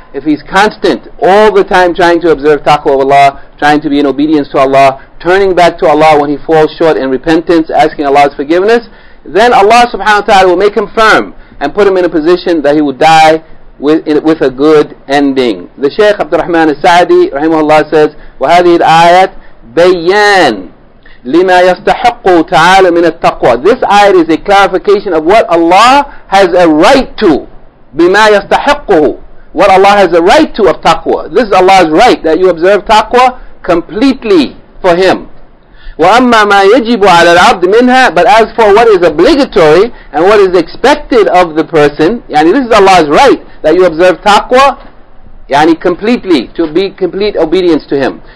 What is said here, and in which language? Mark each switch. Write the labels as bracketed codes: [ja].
[en] If he's constant all the time trying to observe taqwa of Allah, trying to be in obedience to Allah, turning back to Allah when he falls short in repentance, asking Allah's forgiveness, then Allah subhanahu wa ta'ala will make him firm and put him in a position that he will die with a good ending. The Shaykh Abdurrahman Al-Sa'di, rahimahullah, says, [ar] وَهَذِهِ الْآيَةِ بَيَّان لِمَا يَسْتَحَقُّ تَعَالَ مِنَ التَّقْوَى. [en] This ayat is a clarification of what Allah has a right to. [ar] بِمَا يَسْتَحَقُّهُ, [en] what Allah has a right to of taqwa. This is Allah's right, that you observe taqwa completely for Him. [ar] وَأَمَّا مَا يَجِبُ عَلَى الْعَبْدِ مِنْهَا, [en] but as for what is obligatory and what is expected of the person, yani this is Allah's right, that you observe taqwa yani completely, to be complete obedience to Him.